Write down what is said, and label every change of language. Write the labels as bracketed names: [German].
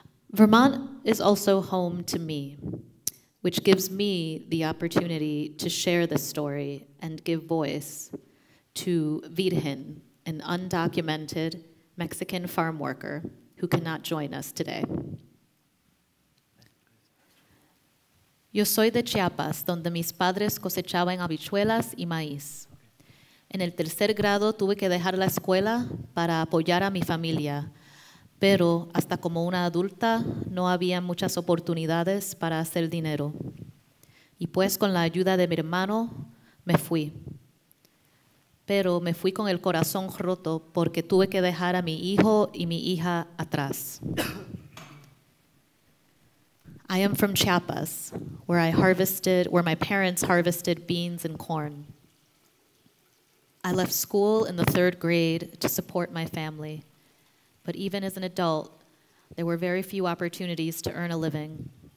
[English] Vermont is also home to me, which gives me the opportunity to share the story and give voice to Virgen, an undocumented Mexican farm worker who cannot join us today. [Spanish] Yo soy de Chiapas, donde mis padres cosechaban habichuelas y maíz. En el tercer grado tuve que dejar la escuela para apoyar a mi familia, pero hasta como una adulta no había muchas oportunidades para hacer dinero. Y pues con la ayuda de mi hermano me fui. Pero me fui con el corazón roto porque tuve que dejar a mi hijo y mi hija atrás. [English] I am from Chiapas, where my parents harvested beans and corn. I left school in the third grade to support my family, but even as an adult, there were very few opportunities to earn a living.